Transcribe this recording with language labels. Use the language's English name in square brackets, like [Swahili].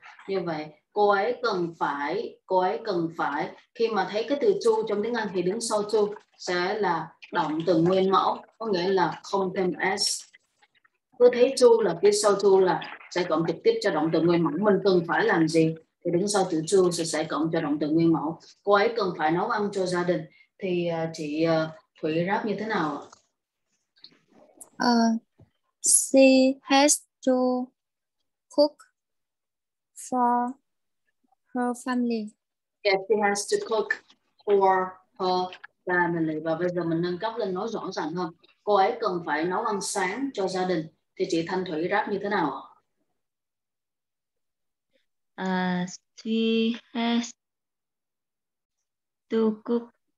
[Vietnamese] Như vậy cô ấy cần phải khi mà thấy cái từ to trong tiếng Anh thì đứng sau to sẽ là động từ nguyên mẫu, có nghĩa là không thêm s. Cứ thấy to là phía sau to là sẽ cộng trực tiếp cho động từ nguyên mẫu. Mình cần phải làm gì thì đứng sau từ to sẽ cộng cho động từ nguyên mẫu. Cô ấy cần phải nấu ăn cho gia đình, thì chị Thủy ráp như thế nào ạ? [English] She has to cook for her family. Yes, she has to cook for her family. [Vietnamese] Và bây giờ mình nâng cấp lên nói rõ ràng hơn. Cô ấy cần phải nấu ăn sáng cho gia đình. Thì chị Thanh Thủy ráp như thế nào ạ? [English] She has to cook